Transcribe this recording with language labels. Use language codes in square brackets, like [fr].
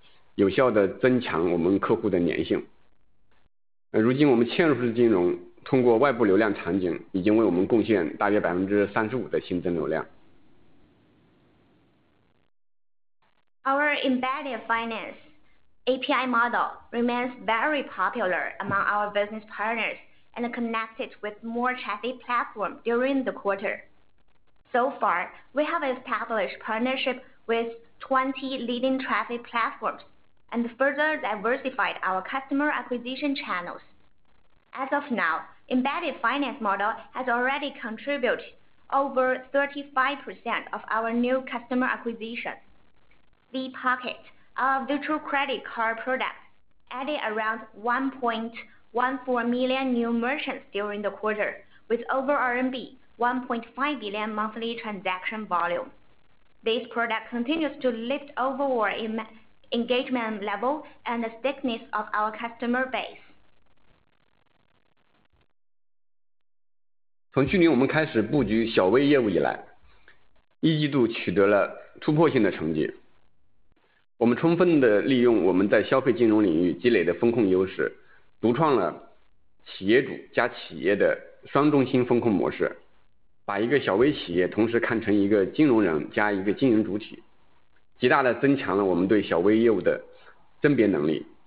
[zh] 嵌入式金融模式持续受到我们合作伙伴的热烈欢迎，持续介入新的流量场景。目前为止，已经合作了20家，获客场景的多样化策略进一步得到推进。类似虚拟信用卡的2020年Q4新增114万的商户，单月交易量超过15亿，持续提升我们客户的动支意愿，有效地增强我们客户的粘性。如今我们嵌入式金融通过外部流量场景已经为我们贡献大约35%的新增流量。 [en] Our embedded finance API model remains very popular among our business partners and connected with more traffic platforms during the quarter. So far, we have established partnership with 20 leading traffic platforms and further diversified our customer acquisition channels. As of now, embedded finance model has already contributed over 35% of our new customer acquisition. VPocket, our virtual credit card product, added around 1.14 million new merchants during the quarter, with over RMB 1.5 billion monthly transaction volume. This product continues to lift overall engagement level and the stickiness of our customer base. [zh] 从去年我们开始布局小微业务以来, 一季度取得了突破性的成绩。我们充分地利用我们在消费金融领域积累的风控优势, 独创了企业主加企业的双中心风控模式, 把一个小微企业同时看成一个金融人加一个经营主体, 极大地增强了我们对小微业务的甄别能力。